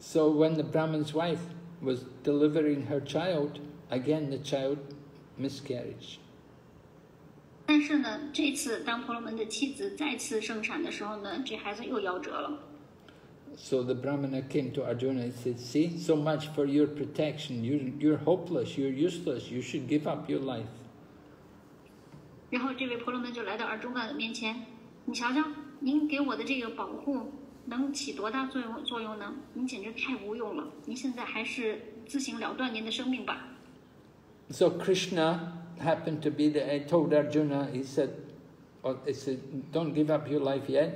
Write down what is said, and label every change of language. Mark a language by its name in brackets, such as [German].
[English] when the Brahmin's wife was delivering her child, again the child miscarriage. [Chinese] 但是呢，这次当婆罗门的妻子再次生产的时候呢，这孩子又夭折了。So [English] the Brahmana came to Arjuna and said, "See, so much for your protection. You're hopeless. You're useless. You should give up your life." [Chinese] 然后这位婆罗门就来到Arjuna的面前，你瞧瞧，您给我的这个保护能起多大作用呢？您简直太无用了，您现在还是自行了断您的生命吧。So [English] Krishna happened to be there. I told Arjuna, he said, "Don't give up your life yet."